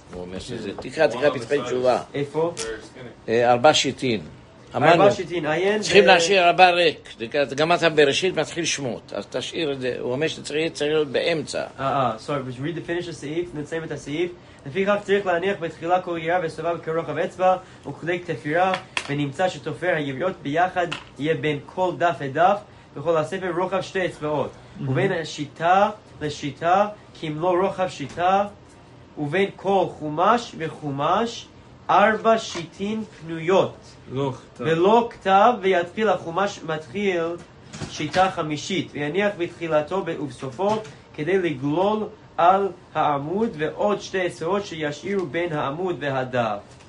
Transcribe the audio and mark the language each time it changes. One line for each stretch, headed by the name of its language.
Hebrew: הוא אומר שזה, תקרא, תקרא פתחי תשובה. איפה? ארבע שיטין. ארבע שיטין, עיין? צריכים להשאיר ארבע ריק. גם אתה בראשית מתחיל שמות. אז תשאיר את זה. הוא אומר שצריך להיות באמצע.
English: Sorry, but you read the finish of the סעיף,
Hebrew: נסיים את הסעיף. לפי כך צריך להניח בתחילה כל יריעה וסובב כרוחב אצבע, וכדי כתפירה, ונמצא שתופר היריעות ביחד יהיה בין כל דף לדף, וכל הספר רוחב שתי אצבעות. ובין השיטה לשיטה, כי אם לא רוחב שיטה, ובין כל חומש וחומש ארבע שיטין פנויות ולא כתב ויתחיל החומש מתחיל שיטה חמישית ויניח בתחילתו ובסופו כדי לגלול על העמוד ועוד שתי עשרות שישאירו בין העמוד והדף.